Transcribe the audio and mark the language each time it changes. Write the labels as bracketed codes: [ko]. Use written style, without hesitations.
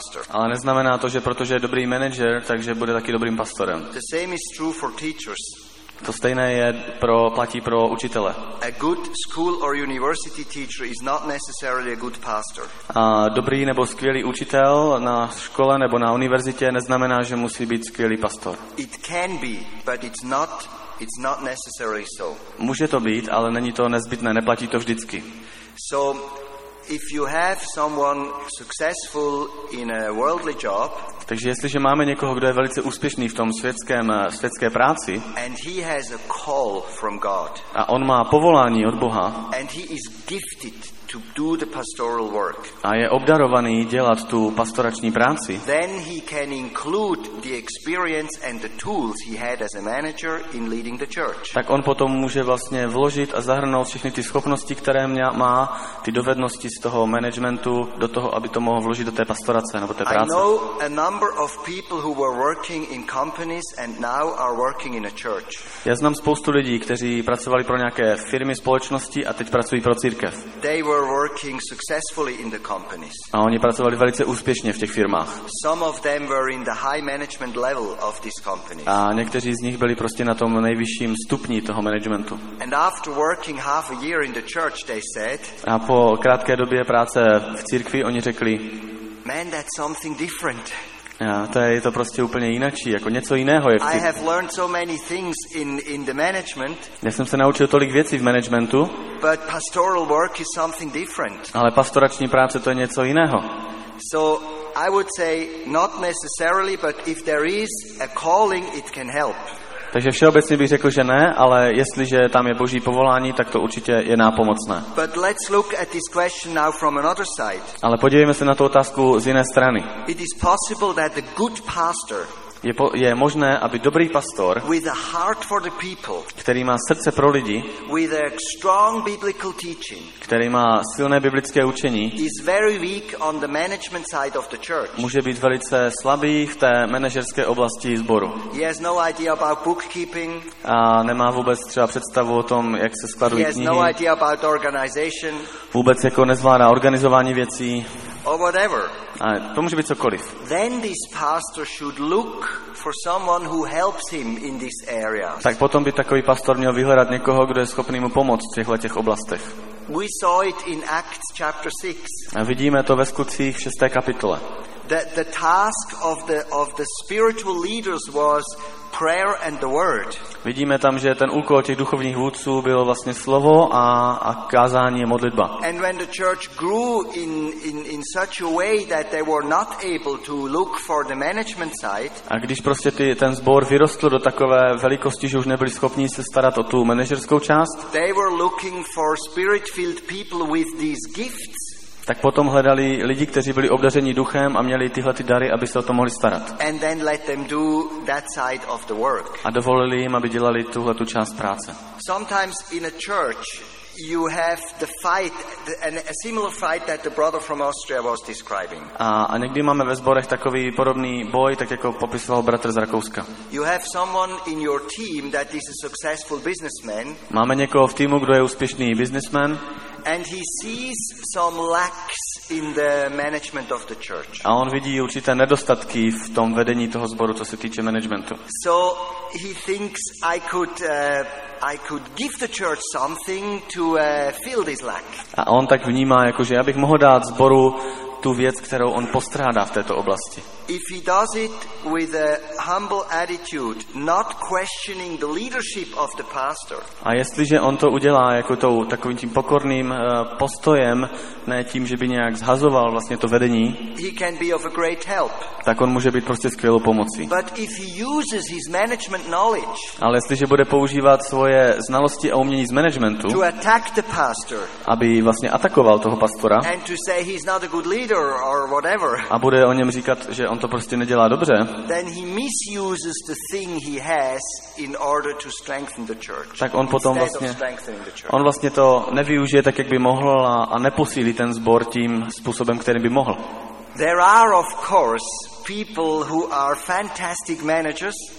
[cs] Ale neznamená to, že protože je dobrý manager, takže bude taky dobrým pastorem. [en] The same is true for teachers. [cs] To stejné je pro, platí pro učitele. [en] A good school or university teacher is not necessarily a good pastor. [cs] A dobrý nebo skvělý učitel na škole nebo na univerzitě neznamená, že musí být skvělý pastor. [en] It can be, but it's not necessarily so. [cs] Může to být, ale není to nezbytné, neplatí to vždycky. [en] So if you have someone successful in a worldly job, [cs] takže jestliže máme někoho, kdo je velice úspěšný v tom světské práci, [en] and he has a call from God, [cs] a on má povolání od Boha, [en] and he is gifted to do the pastoral work, [cs] a je obdarovaný dělat tu pastorační práci, [en] then he can include the experience and the tools he had as a manager in leading the church. [cs] Tak on potom může vlastně vložit a zahrnout všechny ty schopnosti, které má, ty dovednosti z toho managementu do toho, aby to mohl vložit do té pastorace nebo té práce. [en] I know a number of people who were working in companies and now are working in a church. [cs] Já znám spoustu lidí, kteří pracovali pro nějaké firmy, společnosti a teď pracují pro církev. [en] Were working successfully in the companies. [cs] A oni pracovali velice úspěšně v těch firmách. [en] Some of them were in the high management level of these companies. [cs] A někteří z nich byli prostě na tom nejvyšším stupni toho managementu. [en] And after working half a year in the church, they said. [cs] A po krátké době práce v církvi oni řekli. [en] Man, that's something different. [cs] Já, to je to prostě úplně jinačí, jako něco jiného je. [en] I have learned so many things in the management. [cs] Já jsem se naučil tolik věcí v managementu. [en] But pastoral work is something different. [cs] Ale pastorační práce to je něco jiného. [en] So I would say not necessarily, but if there is a calling, it can help. [cs] Takže všeobecně bych řekl, že ne, ale jestliže tam je Boží povolání, tak to určitě je nápomocné. [en] But let's look at this question now from another side. [cs] Ale podívejme se na tu otázku z jiné strany. [en] It is possible that the good pastor, [cs] je možné, aby dobrý pastor, [en] with a heart for the people, [cs] který má srdce pro lidi, [en] with a strong biblical teaching, [cs] který má silné biblické učení, [en] is very weak on the management side of the church. [cs] Může být velice slabý v té manažerské oblasti sboru. [en] He has no idea about bookkeeping. [cs] A nemá vůbec třeba představu o tom, jak se skladují [en] he has [cs] knihy. [en] No idea about organization. [cs] Vůbec jako nezvládá organizování věcí. [en] Or whatever. [cs] A to může být cokoliv. [en] Then this pastor should look for someone who helps him in this area. [cs] Tak potom by takový pastor měl vyhledat někoho, kdo je schopný mu pomoct v těch oblastech. [en] We saw it in Acts chapter 6. [cs] A vidíme to ve Skutcích 6. kapitole. [en] The task of the spiritual leaders was prayer and the word. [cs] Vidíme tam, že ten úkol těch duchovních vůdců bylo vlastně slovo a kázání a modlitba. [en] And when the church grew in such a way that they were not able to look for the management side. [cs] A když prostě ten sbor vyrostl do takové velikosti, že už nebyli schopni se starat o tu manažerskou část. [en] They were looking for spirit-filled people with these gifts. [cs] Tak potom hledali lidi, kteří byli obdařeni duchem a měli tyhle ty dary, aby se o to mohli starat. [en] And then let them do that side of the work. [cs] A dovolili jim, aby dělali tuhle tu část práce. [en] Sometimes in a church you have the fight, a similar fight that the brother from Austria was describing. [cs] A někdy máme ve sborech takový podobný boj, tak jako popisoval bratr z Rakouska. [en] You have someone in your team that is a successful businessman. [cs] Máme někoho v týmu, kdo je úspěšný businessman. [en] And he sees some lacks in the management of the church. [cs] A on vidí určité nedostatky v tom vedení toho sboru, co se týče managementu. [en] So he thinks I could give the church something to fill this lack. [cs] A on tak vnímá, jako že já bych mohl dát sboru tu věc, kterou on postrádá v této oblasti. [en] If he does it with a humble attitude, not questioning the leadership of the pastor. [cs] A jestliže on to udělá jako tou takovým tím pokorným postojem, ne tím, že by nějak zhazoval vlastně to vedení. [en] He can be of a great help. [cs] Tak on může být prostě skvělou pomocí. [en] But if he uses his management knowledge. [cs] Ale jestliže bude používat svoje znalosti a umění z managementu. [en] To attack the pastor. [cs] Aby vlastně atakoval toho pastora. [en] And to say he's not a good leader or whatever. [cs] A bude o něm říkat, že on to prostě nedělá dobře. [en] Then he misuses the thing he has in order to strengthen the church. [cs] Tak on potom vlastně to nevyužije tak, jak by mohl, a neposílí ten sbor tím způsobem, kterým by mohl. [en] There are of course people who are fantastic managers.